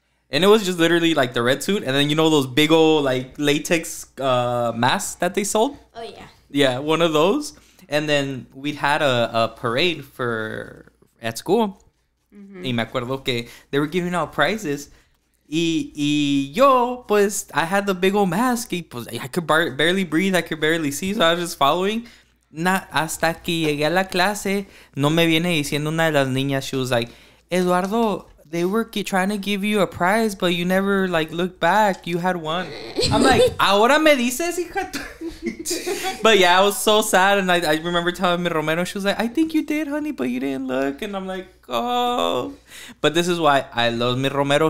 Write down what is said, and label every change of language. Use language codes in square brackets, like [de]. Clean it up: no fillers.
[en] And it was just literally like the red suit. And then, you know, those big old like latex masks that they sold? Oh, yeah. Yeah, one of those. And then we'd had a parade for at school. Mm-hmm. [es] Y me acuerdo que [en] they were giving out prizes. [es] Y yo, pues, [en] I had the big old mask. [es] Y pues, [en] I could barely breathe. I could barely see. So I was just following. [es] Hasta que llegué a la clase, no me viene diciendo una de las niñas. [en] She was like, Eduardo, they were trying to give you a prize, but you never, like, looked back. You had one. I'm like, [es] ¿ahora me dices, hija? [en] But, yeah, I was so sad. And I remember telling me Romero. She was like, I think you did, honey, but you didn't look. And I'm like, oh. But this is why I love Mi Romero.